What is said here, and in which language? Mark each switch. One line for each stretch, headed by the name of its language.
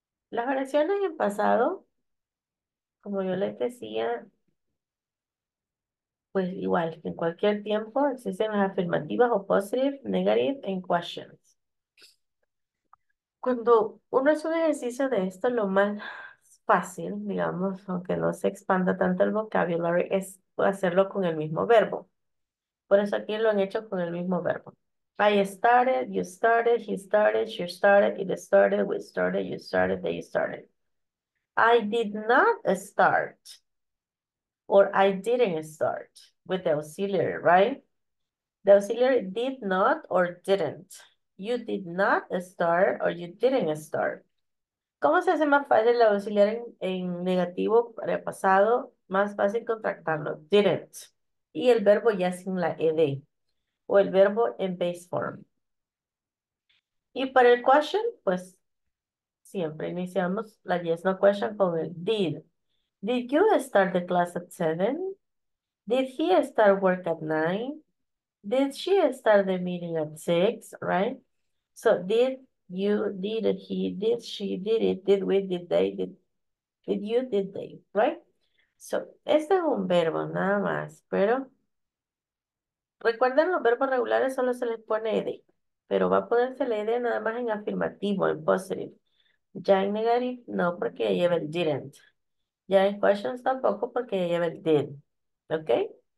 Spanish: Las oraciones en pasado, como yo les decía, pues igual, en cualquier tiempo existen las afirmativas o
English: positive, negative, and questions.
Spanish: Cuando uno hace un ejercicio de esto, lo más fácil, digamos, aunque no se expanda tanto el vocabulary, es hacerlo con el mismo verbo. Por eso aquí lo han hecho con el mismo verbo.
English: I started, you started, he started, she started, it started, we started, you started, they started. I did not start, or I didn't start with the auxiliary, right? The auxiliary did not or didn't. You did not start or you didn't start.
Spanish: ¿Cómo se hace más fácil la auxiliar en negativo para el pasado? Más fácil contractarlo, didn't. Y el verbo ya sin la ed. O el verbo en base form. Y para el question, pues, siempre iniciamos la yes no question con el did.
English: Did you start the class at 7? Did he start work at 9? Did she start the meeting at 6, right? So, did you, did he, did she, did it, did we, did they, did you, did they, right?
Spanish: So, este es un verbo nada más, pero... Recuerden, los verbos regulares solo se les pone ed, pero va a ponerse la ed nada más en afirmativo, en positive. Ya en negative, no, porque lleva el didn't. Ya en questions, tampoco, porque lleva el did. ¿Ok?